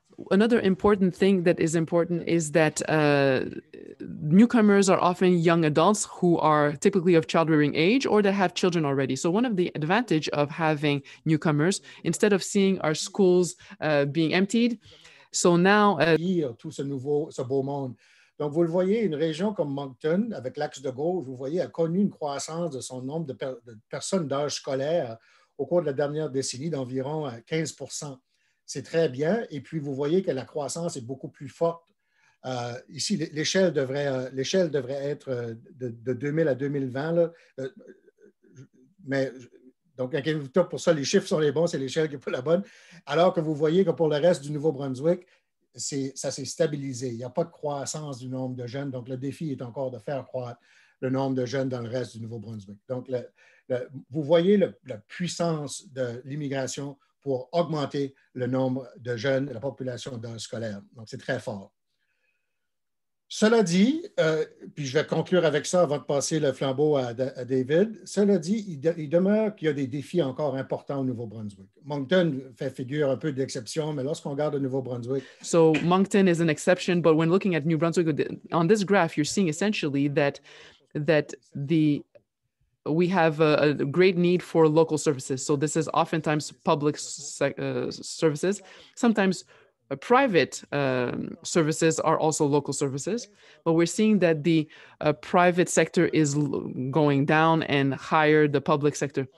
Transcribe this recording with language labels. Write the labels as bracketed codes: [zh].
[en] Another important thing that is important is that newcomers are often young adults who are typically of child-rearing age or that have children already. So one of the advantage of having newcomers, instead of seeing our schools being emptied, so now... [fr] ...tout ce nouveau, ce beau monde. Donc, vous le voyez, une région comme Moncton, avec l'axe de gauche, vous voyez, a connu une croissance de son nombre de personnes d'âge scolaire au cours de la dernière décennie d'environ 15%. C'est très bien. Et puis, vous voyez que la croissance est beaucoup plus forte. Ici, l'échelle devrait être de 2000 à 2020. Là. Mais donc, inquiétez-vous pour ça, les chiffres sont les bons, c'est l'échelle qui n'est pas la bonne. Alors que vous voyez que pour le reste du Nouveau-Brunswick, ça s'est stabilisé. Il n'y a pas de croissance du nombre de jeunes. Donc, le défi est encore de faire croître le nombre de jeunes dans le reste du Nouveau-Brunswick. Donc, vous voyez la puissance de l'immigration pour augmenter le nombre de jeunes, la population d'âge scolaire. Donc, c'est très fort. Cela dit, puis je vais conclure avec ça avant de passer le flambeau à David, cela dit, il demeure qu'il y a des défis encore importants au Nouveau-Brunswick. Moncton fait figure un peu d'exception, mais lorsqu'on regarde le Nouveau-Brunswick... [en] So Moncton is an exception, but when looking at New Brunswick, on this graph, you're seeing essentially we have a great need for local services. So this is oftentimes public services, sometimes private services are also local services, but we're seeing that the private sector is going down and higher the public sector.